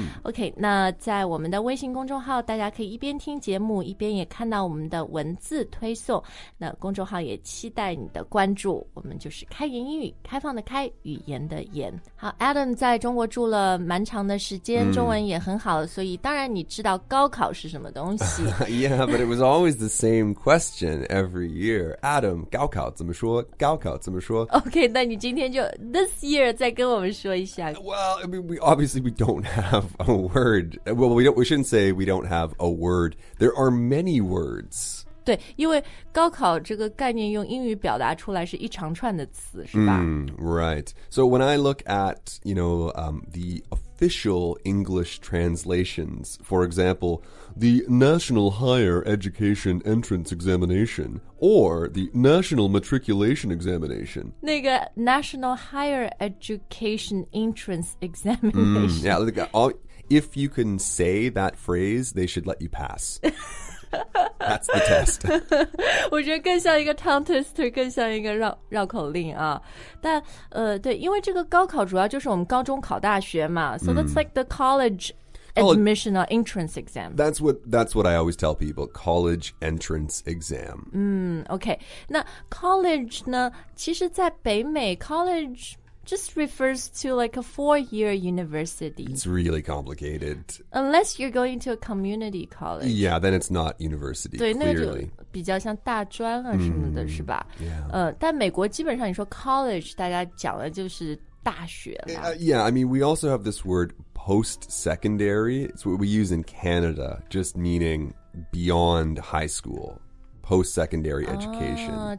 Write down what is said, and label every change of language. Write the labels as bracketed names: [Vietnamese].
[Chinese] OK， 那在我们的微信公众号，大家可以一边听节目，一边也看到我们的文字推送，那公众号也期待你的关注。我们就是开言英语，开放的开，语言的言。好 ，Adam 在中国住了蛮长的时间，中文也很好，所以当然你知道高考是什么东西。 [English] Yeah, but it was always the same question every year. [Chinese] Adam, 高考怎么说？高考怎么说？OK， 那你今天就 [English] this year [Chinese] 再跟我们说一下。 [English] Well, I mean, we don't have a word. Well, we shouldn't say we don't have a word. There are many words. [Chinese] 对，因为高考这个概念用英语表达出来是一长串的词，是吧？ [English] Right. So when I look at, you know, the official English translations, for example, the National Higher Education Entrance Examination or the National Matriculation Examination. [Chinese] 那个 [English] National Higher Education Entrance Examination. Yeah, look, if you can say that phrase, they should let you pass. That's the test. [Chinese] 我觉得更像一个 tongue twister， 更像一个 绕口令啊。但对，因为这个高考主要就是我们高中考大学嘛。 [English] So that's like the college admission or entrance exam. That's what I always tell people. College entrance exam. [Chinese] Okay. 那 college 呢？其实，在北美 college. [English] Just refers to like a four-year university. It's really complicated. Unless you're going to a community college. Yeah, then it's not university, [Chinese] 对那就比较像大专啊什么的是吧？ [English] Yeah. [Chinese] 但美国基本上你说 college, 大家讲的就是大学了。 [English] Yeah, I mean, we also have this word post-secondary. It's what we use in Canada, just meaning beyond high school, post-secondary education.